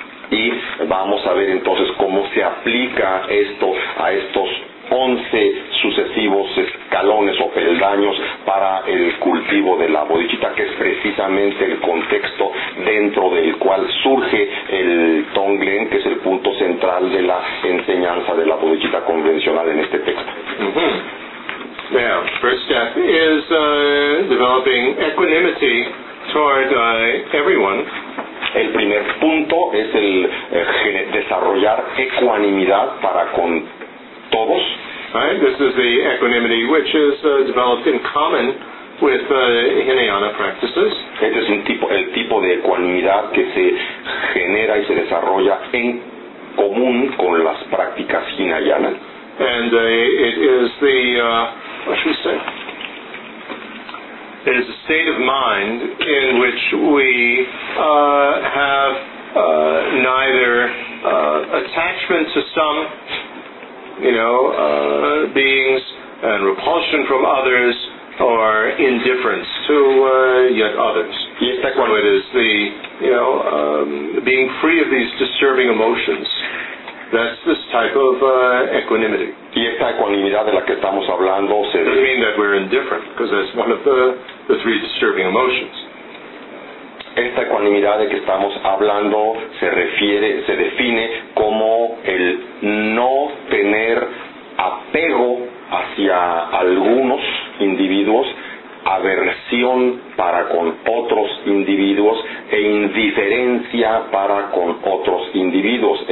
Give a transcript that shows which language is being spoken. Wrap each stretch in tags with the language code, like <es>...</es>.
<es>Y vamos a ver entonces cómo se aplica esto a estos 11 sucesivos escalones o peldaños para el cultivo de la bodhicitta, que es precisamente el contexto dentro del cual surge el Tonglen, que es el punto central de la enseñanza de la bodhicitta convencional en este texto.</es> <en>Mm-hmm. Now, first step is developing equanimity toward everyone.</en> <es>El primer punto es el desarrollar ecuanimidad para con todos.</es> <en>Right, this is the equanimity which is developed in common with Hinayana practices.</en> <es>Este es el tipo de ecuanimidad que se genera y se desarrolla en común con las prácticas Hinayana.</es> <en>And it is the what should we say? It is a state of mind in which we have neither attachment to some, you know, beings, and repulsion from others, or indifference to yet others. Yes, that one. It is the, you know, being free of these disturbing emotions. That's this type of equanimity.</en> <es>Y esta ecuanimidad de la que estamos hablando se...</es> <en>It doesn't mean that we're indifferent, because that's one of the three disturbing emotions.</en> <es>Esta ecuanimidad de que estamos hablando se define como el no tener apego hacia algunos individuos, aversión para con otros individuos e indiferencia para con otros individuos.</es>